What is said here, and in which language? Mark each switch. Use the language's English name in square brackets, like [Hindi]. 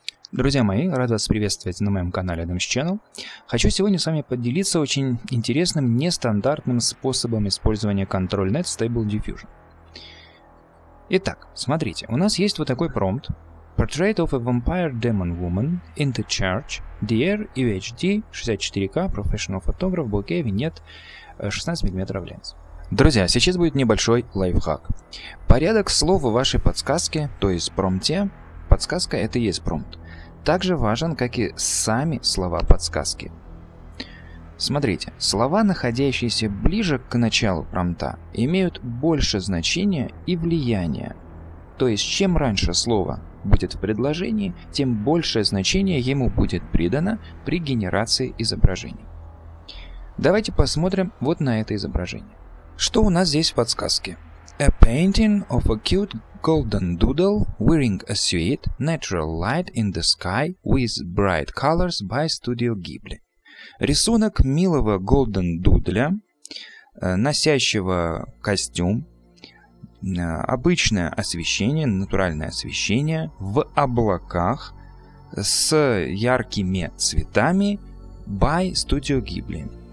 [Russian] Друзья мои, рад вас приветствовать на моем канале Adams Channel. Хочу сегодня с вами поделиться очень интересным нестандартным способом использования ControlNet Stable Diffusion. Итак, смотрите, у нас есть вот такой промпт: [English] Portrait of a Vampire Demon Woman in the Church, DR UHD 64K, Professional Photograph, Bokeh, Vignette, 16 мм Lens. [Russian] Друзья, сейчас будет небольшой лайфхак. Порядок слов вашей подсказки, то есть промпте, подсказка это и есть промпт. Также важен, как и сами слова подсказки. Смотрите, слова, находящиеся ближе к началу промпта, имеют больше значения и влияния. То есть, чем раньше слово будет в предложении, тем большее значение ему будет придано при генерации изображений. Давайте посмотрим вот на это изображение. Что у нас здесь в подсказке? [English] A painting of a cute golden doodle wearing a suit, natural light in the sky with bright colors by Studio Ghibli. [Russian] Рисунок милого golden doodle, носящего костюм, обычное освещение, натуральное освещение в облаках с яркими цветами by Studio Ghibli.